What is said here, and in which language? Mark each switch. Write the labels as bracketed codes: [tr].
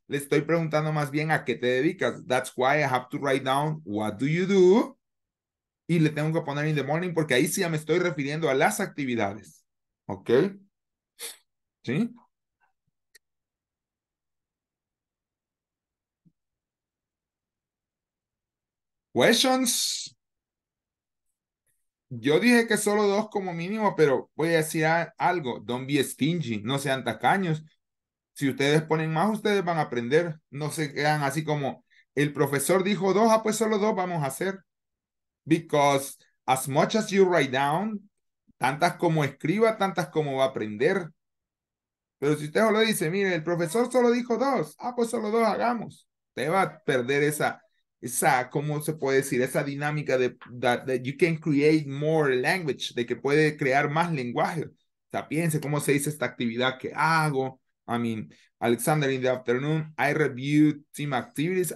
[es] Le estoy preguntando más bien a qué te dedicas. [en] That's why I have to write down, what do you do? [es] Y le tengo que poner [en] in the morning, [es] porque ahí sí ya me estoy refiriendo a las actividades. ¿Ok? ¿Sí? [en] Questions? [es] Yo dije que solo dos como mínimo, pero voy a decir algo. [en] Don't be stingy. [es] No sean tacaños. Si ustedes ponen más, ustedes van a aprender. No se quedan así como, el profesor dijo dos, ah, pues solo dos vamos a hacer. [en] Because as much as you write down, [es] tantas como escriba, tantas como va a aprender. Pero si usted solo dice, mire, el profesor solo dijo dos, ah, pues solo dos hagamos. Te va a perder esa, ¿cómo se puede decir? Esa dinámica de [en] that you can create more language, [es] de que puede crear más lenguaje. O sea, piense cómo se dice esta actividad que hago. [en] I mean, Alexander, in the afternoon, I review team activities.